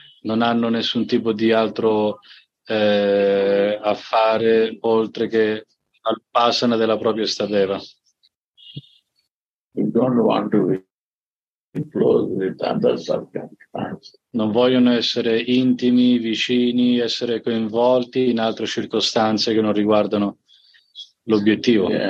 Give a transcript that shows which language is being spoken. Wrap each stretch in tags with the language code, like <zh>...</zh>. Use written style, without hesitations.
<it>Non hanno nessun tipo di altro affare oltre che al upasana della propria stadeva.</it> <en>We don't want to be close with other circumstances.</en> <it>Non vogliono essere intimi, vicini, essere coinvolti in altre circostanze che non riguardano l'obiettivo.</it>